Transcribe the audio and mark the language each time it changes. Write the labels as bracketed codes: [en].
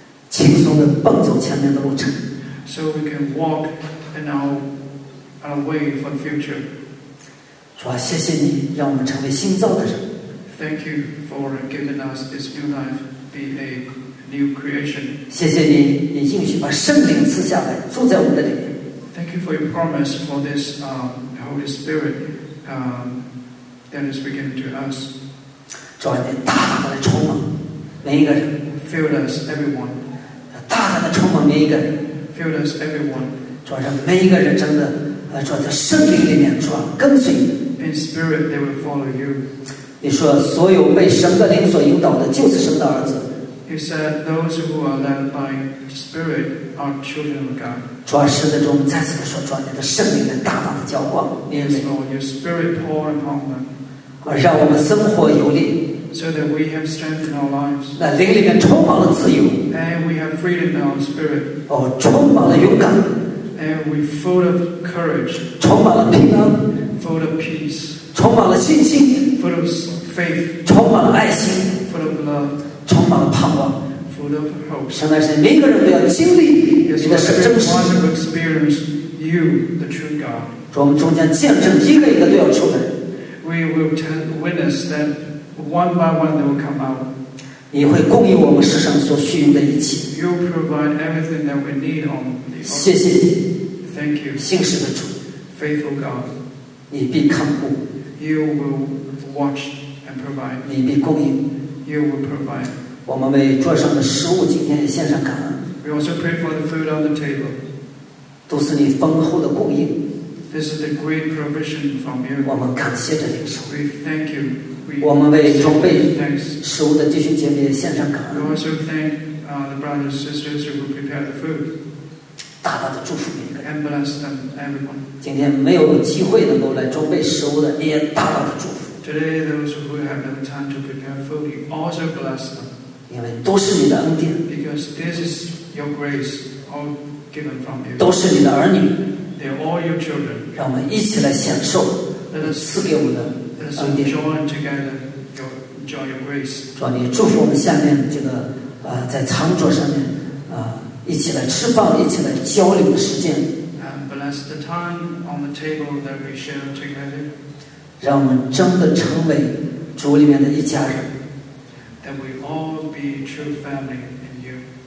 [zh] 轻松地奔走前面的路程。 [en] So we can walk in our way for the future. [zh] 主啊，谢谢你让我们成为新造的人。 [en] Thank you for giving us this new life, be a new creation. [zh] 谢谢你，你应许把圣灵赐下来，住在我们的里面。 [en] Thank you for your promise for this Holy Spirit that is given to us. [zh] 主啊，你大大的充满。每一个人 [en] ，Fill us everyone， [zh] 大大的充满每一个人 [en] ，Fill us everyone， [zh] 主要让每一个人真的，主要在圣灵里面，主要跟随你。 [en] In spirit they will follow you。 [zh] 你说所有被神的灵所引导的，就是神的儿子。 [en] You said those who are led by spirit are children of God。 [zh] 主要是在中再次的说，主要你的圣灵在大大的浇灌，因为。 [en] So your spirit pour upon them。 [zh] 让我们生活有力。 [en] So that we have strength in our lives. [zh] 那灵里面充满了自由。 [en] And we have freedom in our spirit. [zh] 哦，充满了勇敢。 [en] And we full of courage. [zh] 充满了平安。 [en] Full of peace. [zh] 充满了信心。 [en] Full of faith. [zh] 充满了爱心。 [en] Full of love. [zh] 充满了盼望。 [en] Full of hope. [zh] 神啊，每个人都要经历你的真实。 [en] Yes, everyone will experience you, the true God. [zh] 我们中间见证一个一个都要出来。 [en] We will turn witness that. One by one, they will come out. [zh] 你会供应我们世上所需用的一切。 [en] You provide everything that we need on the earth. [zh] 谢谢你。 [en] Thank you. [zh] 信实的主。 [en] Faithful God. [zh] 你必看顾。 [en] You will watch and provide. [zh] 你必供应。 [en] You will provide. [zh] 我们为桌上的食物今天也献上感恩。 [en] We also pray for the food on the table. [zh] 都是你丰厚的供应。 [en] This is the great provision from you. [zh] 我们感谢着领受。 [en] We thank you. [zh] 我们为准备食物的弟兄姐妹献上感恩。 [en] We also thank the brothers and sisters who prepare the food. [zh] 大大的祝福每一个人。 [en] And bless them, everyone. [zh] 今天没有机会能够来准备食物的，也大大的祝福。 [en] Today, those who have no time to prepare food, you also bless them. [zh] 因为都是你的恩典。 [en] Because this is your grace, all given from you. [zh] 都是你的儿女。 [en] They are all your children. [zh] 让我们一起来享受赐给我们的。 [en] So join together, join your grace. [zh] 主，你祝福我们下面这个，在餐桌上面，一起来吃饭，一起来交流的时间。 [en] Bless the time on the table that we share together. [zh] 让我们真的成为主里面的一家人。 [en] That we all be true family in you.